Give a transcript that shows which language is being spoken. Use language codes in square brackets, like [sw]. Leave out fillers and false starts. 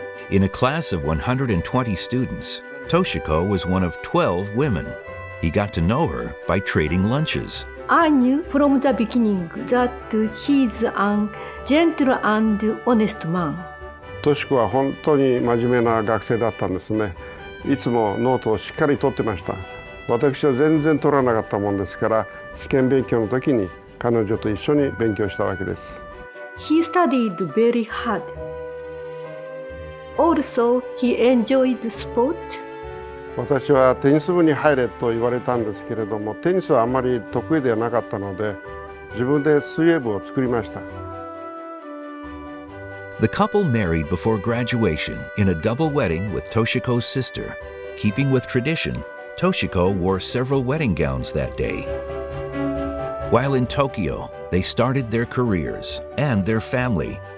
[en] In a class of 120 students, Toshiko was one of 12 women. He got to know her by trading lunches. I knew from the beginning that he's a gentle and honest man. Toshiko was a really intelligent student. [ja] いつもノートをしっかり取ってました。私は全然取らなかったもんですから、試験勉強の時に彼女と一緒に勉強したわけです。 [en] He studied very hard. Also, he enjoyed sport. [ja] 私はテニス部に入れと言われたんですけれども、テニスはあまり得意ではなかったので、自分で水泳部を作りました。 [en] The couple married before graduation in a double wedding with Toshiko's sister. Keeping with tradition, Toshiko wore several wedding gowns that day. While in Tokyo, they started their careers and their family.